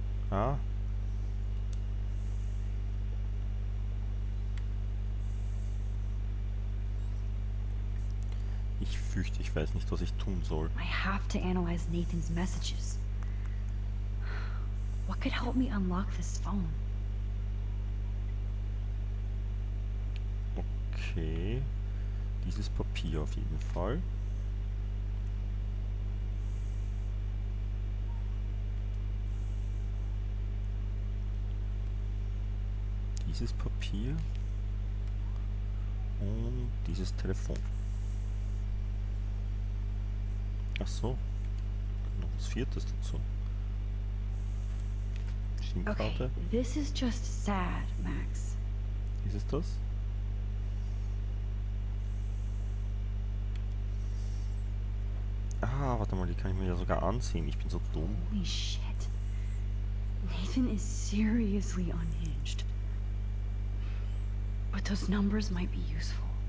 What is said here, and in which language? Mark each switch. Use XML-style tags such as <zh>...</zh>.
<de>Ah. Ich weiß nicht, was ich tun soll.</de> <en>I have to analyze Nathan's messages. What could help me unlock this phone? Okay.</en> <de>Dieses Papier auf jeden Fall. Dieses Papier und dieses Telefon. Ach so, noch das Viertes dazu. SIM-Karte.</de> <en>Okay, this is just sad, Max.</en> <de>Ist es das? Ah, warte mal, die kann ich mir ja sogar ansehen. Ich bin so dumm.</de> <en>Holy shit. Nathan is seriously unhinged. But those numbers might be useful.</en>